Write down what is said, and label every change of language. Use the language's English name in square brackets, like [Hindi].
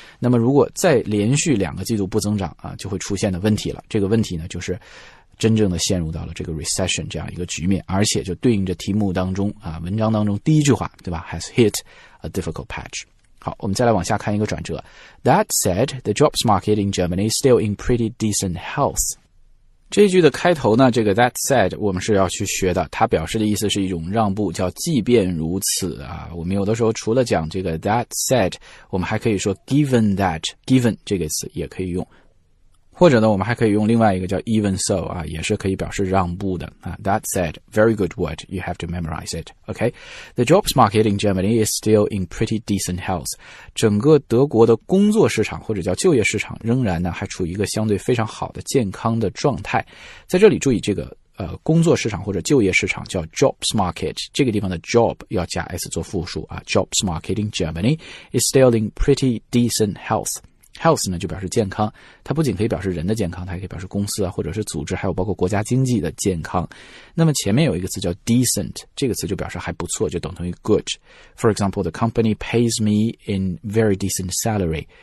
[Chinese] 那么如果再连续两个季度不增长啊，就会出现的问题了。这个问题呢，就是真正的陷入到了这个 recession 这样一个局面，而且就对应着题目当中啊，文章当中第一句话，对吧？ [English] Has hit a difficult patch。 [Chinese] 好，我们再来往下看一个转折。 [English] That said, the jobs market in Germany is still in pretty decent health. [Chinese] 这句的开头呢，这个 [English] that said [Chinese] 我们是要去学的，它表示的意思是一种让步，叫即便如此啊。我们有的时候除了讲这个 that said， 我们还可以说 [English] given that， [Chinese] given 这个词也可以用。或者呢，我们还可以用另外一个叫 [English] even so [Chinese] 啊，也是可以表示让步的啊。 [English] That said, very good word. You have to memorize it. Okay, the jobs market in Germany is still in pretty decent health. [Chinese] 整个德国的工作市场或者叫就业市场仍然呢还处于一个相对非常好的健康的状态。在这里注意这个工作市场或者就业市场叫 jobs market， 这个地方的 job 要加 s 做复数啊。 [English] Jobs market in Germany is still in pretty decent health. [Chinese] Health 呢就表示健康，它不仅可以表示人的健康，它也可以表示公司啊，或者是组织，还有包括国家经济的健康。那么前面有一个词叫 decent， 这个词就表示还不错，就等同于 good。 [English] For example, the company pays me in very decent salary.